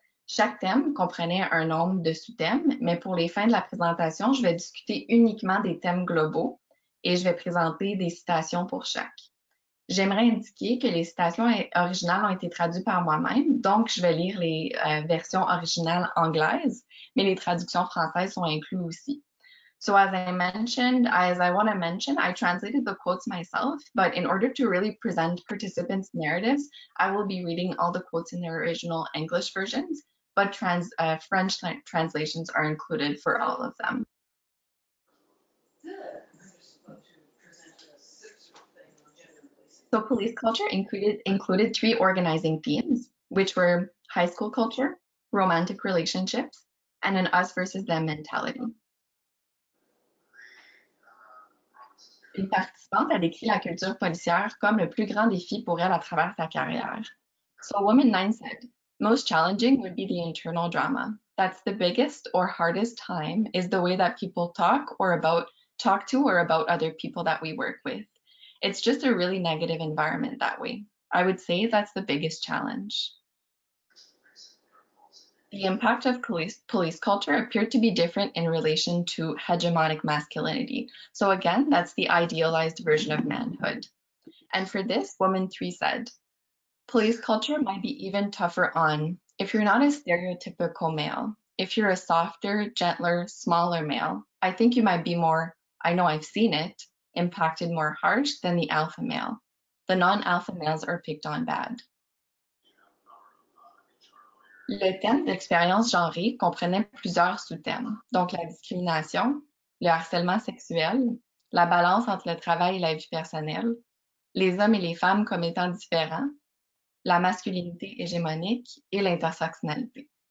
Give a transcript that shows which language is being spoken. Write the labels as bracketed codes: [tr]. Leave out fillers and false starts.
[fr] Chaque thème comprenait un nombre de sous-thèmes, mais pour les fins de la présentation, je vais discuter uniquement des thèmes globaux. Et je vais présenter des citations pour chaque. J'aimerais indiquer que les citations originales ont été traduites par moi-même, donc je vais lire les versions originales anglaises, mais les traductions françaises sont incluses aussi. [en] So as I want to mention, I translated the quotes myself, but in order to really present participants' narratives, I will be reading all the quotes in their original English versions, but French translations are included for all of them. So police culture included three organizing themes, which were high school culture, romantic relationships, and an us versus them mentality. [fr] Une participante a décrit la culture policière comme le plus grand défi pour elle à travers sa carrière. [en] So woman 9 said, most challenging would be the internal drama. That's the biggest or hardest time is the way that people talk to or about other people that we work with. It's just a really negative environment that way. I would say that's the biggest challenge. The impact of police culture appeared to be different in relation to hegemonic masculinity. So again, that's the idealized version of manhood. And for this, woman 3 said, police culture might be even tougher on if you're not a stereotypical male. If you're a softer, gentler, smaller male, I think you might be more, I know I've seen it, impacted more harsh than the alpha male. The non-alpha males are picked on bad. [fr] Le thème d'expérience genrée comprenait plusieurs sous-thèmes, donc la discrimination, le harcèlement sexuel, la balance entre le travail et la vie personnelle, les hommes et les femmes comme étant différents, la masculinité hégémonique et l'intersectionnalité.